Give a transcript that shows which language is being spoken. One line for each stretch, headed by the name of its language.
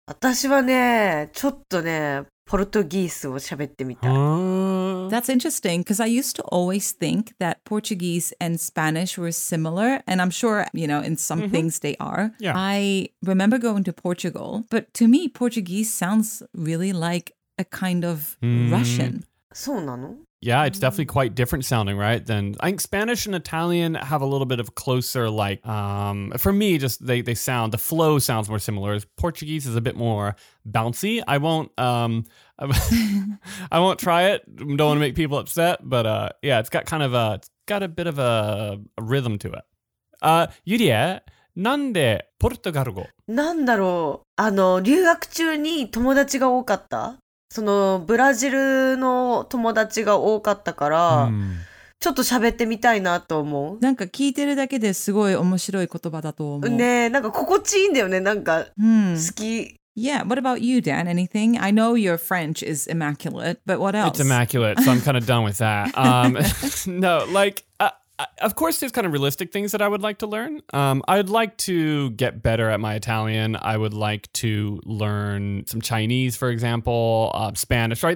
Japanese: 私はね、ちょっとね、ポルトギースを喋ってみたい。
English: That's interesting, because I used to always think that Portuguese and Spanish were similar, and I'm sure, you know, in some mm-hmm. things they are. Yeah. I remember going to Portugal, but to me, Portuguese sounds really like a kind of Russian. そうなの? Yeah, it's definitely quite different sounding, right? Then I think Spanish and Italian have a little bit of closer, like, for me, just they sound, the flow sounds more similar. Portuguese is a bit more bouncy. I won't try it. Don't want to make people upset. But yeah, it's got kind of a, it's got a bit of a rhythm to it.
Japanese: Yurie, なんでポルトガル語? なんだろう? あの、留学中に友達が多かった?そのブラジルの友達が多かったから、ちょっと喋ってみたいなと思う。なんか聞いてるだけですごい面白い言葉だと思う。ねえ、なんか心地いいんだよね、なんか好き。
English: Yeah, what about you, Dan? Anything? I know your French is immaculate, but what else? It's immaculate, so I'm kind of done with that. no, like, of course there's kind of realistic things that I would like to learn. I'd like to get better at my Italian. I would like to learn some Chinese, for example, Spanish, right?